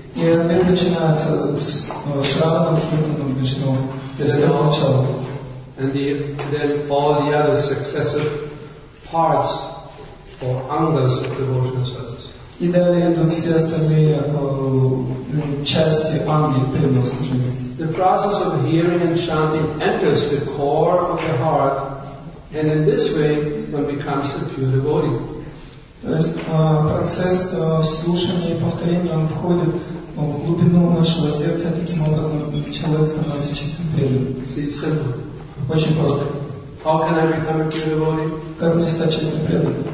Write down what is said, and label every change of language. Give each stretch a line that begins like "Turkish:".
Russian: И ответ начинается с Шравана, Киртана, Вишну. То есть это начало.
English: And then all the other successive parts or angas of devotional service.
Russian: И далее идут все остальные части анги преданного служения.
English: The process of hearing and chanting enters the core of the heart, and in this way one becomes a pure devotee.
Russian: То есть процесс слушания и повторения он входит в глубину нашего сердца, таким образом человек становится чистым преданным. Очень просто.
English: How can I become a pure devotee?
Russian: Как мне стать чистым преданным?